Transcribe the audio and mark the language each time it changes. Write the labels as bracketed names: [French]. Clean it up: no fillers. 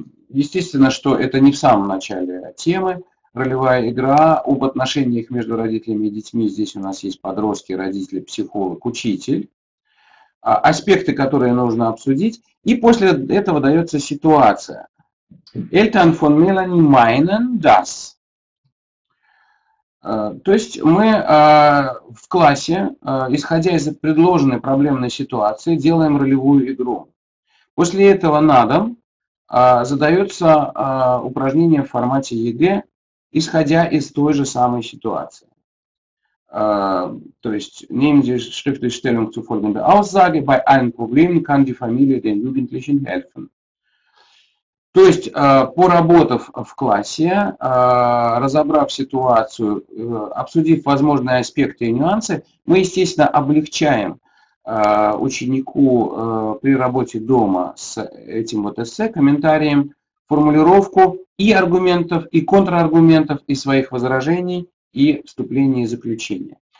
[Russian] Естественно, что это не в самом начале темы. Ролевая игра об отношениях между родителями и детьми. Здесь у нас есть подростки, родители, психолог, учитель. Аспекты, которые нужно обсудить. И после этого дается ситуация. [German] Eltern von Melanie meinen das. [Russian] То есть мы в классе, исходя из предложенной проблемной ситуации, делаем ролевую игру. После этого на дом задается упражнение в формате ЕГЭ, исходя из той же самой ситуации. То есть, [German] nehmen Sie schriftliche Stellung zu folgender Aussage, bei allen Problemen kann die Familie den Jugendlichen helfen. [Russian] То есть, поработав в классе, разобрав ситуацию, обсудив возможные аспекты и нюансы, мы, естественно, облегчаем ученику при работе дома с этим вот эссе, комментарием, формулировку и аргументов, и контраргументов, и своих возражений, и вступление и заключение.